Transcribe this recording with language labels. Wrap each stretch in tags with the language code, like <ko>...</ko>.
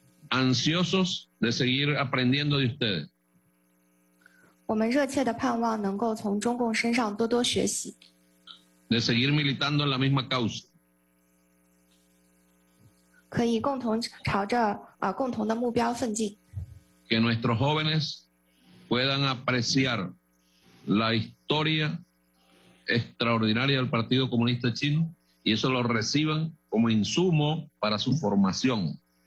<es>Ansiosos de seguir aprendiendo de ustedes.</es> <zh>我们热切地盼望能够从中共身上多多学习。</zh> <es>De seguir militando en la misma causa.</es> <zh>可以共同朝着共同的目标奋进。</zh> <es>Que nuestros jóvenes puedan apreciar la historia extraordinaria del Partido Comunista Chino y eso lo reciban como insumo para su formación.</es>